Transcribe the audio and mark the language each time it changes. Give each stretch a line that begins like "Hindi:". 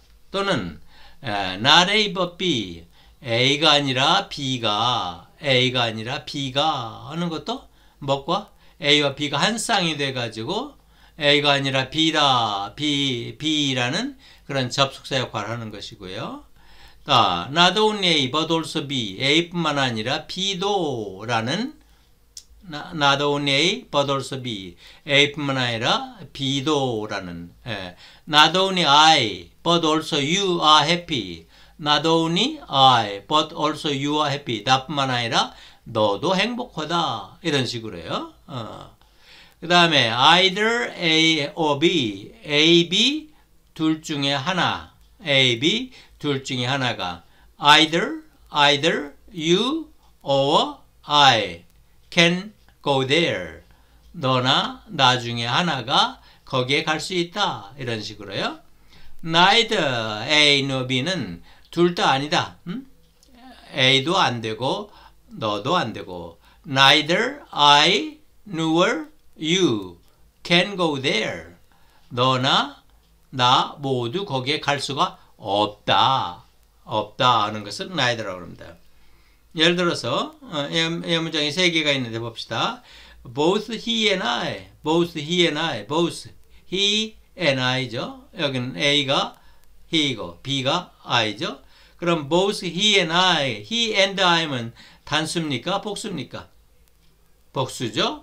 Korean: 또는 not A but B, A가 아니라 B가 하는 것도 뭐과 A와 B가 한 쌍이 돼가지고 A가 아니라 B라는 그런 접속사 역할을 하는 것이고요.
English: not only A but also B,
Korean: A뿐만 아니라 B도라는
English: Not only A, but also B.
Korean: A뿐만 아니라 B도라는.
English: Not only I, but also you are happy. Not only I, but also you are happy.
Korean: 나뿐만 아니라 너도 행복하다. 이런 식으로요. 그 다음에 either A or B. AB 둘 중에 하나. AB 둘 중에 하나가
English: either you or I can Go there.
Korean: 너나 나 중에 하나가 거기에 갈수 있다. 이런 식으로요. Neither A nor B는 둘다 아니다. 응? A도 안 되고 너도 안 되고
English: Neither I nor you can go there.
Korean: 너나 나 모두 거기에 갈 수가 없다. 없다 하는 것을 neither라고 합니다. 예를 들어서 이 문장이 세 개가 있는데 봅시다.
English: Both he and I, both he and I, both he and I죠.
Korean: 여기는 A가 he이고 B가 I죠. 그럼 both he and I, he and I는 단수입니까? 복수입니까? 복수죠.